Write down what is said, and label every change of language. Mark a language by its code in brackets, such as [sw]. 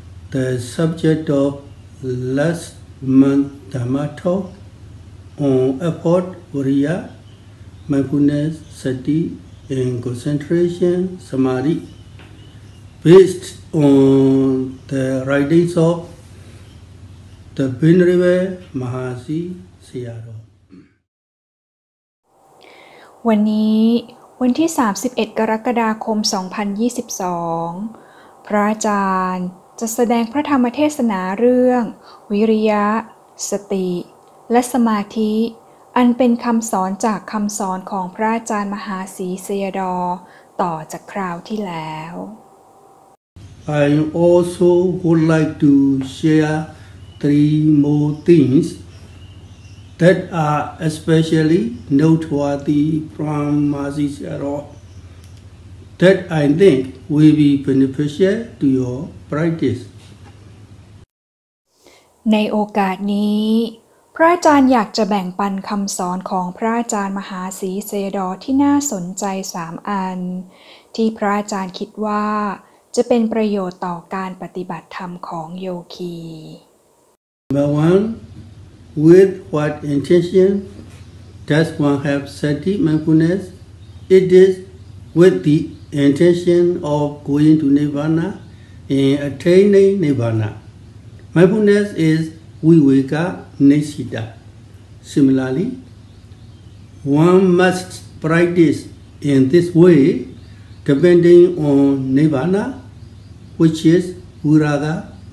[en] the subject of last month Dhamma talk on effort, Vriya, mindfulness, sati, and concentration, samadhi, based on the writings of the Venerable Mahasi Siyaro. [th] วันนี้วันที่31กรกฎาคม2022พระอาจารย์จะแสดงพระธรรมเทศนาเรื่องวิริยะสติและสมาธิอันเป็นคำสอนจากคำสอนของพระอาจารย์มหาศรีเสยดอต่อจากคราวที่แล้ว [en] I also would like to share three more thingsThat are especially noteworthy from Mahasi Siyaro that I think will be beneficial to your practice. [th] ในโอกาสนี้พระอาจารย์อยากจะแบ่งปันคำสอนของพระอาจารย์มหาศรีเสยดอที่น่าสนใจ3อันที่พระอาจารย์คิดว่าจะเป็นประโยชน์ต่อการปฏิบัติธรรมของโยคี [en] Number oneWith what intention does one have sati mindfulness? It is with the intention of going to nirvana and attaining nirvana. Mindfulness is viveka nisita. Similarly, one must practice in this way depending on nirvana, which is viraga.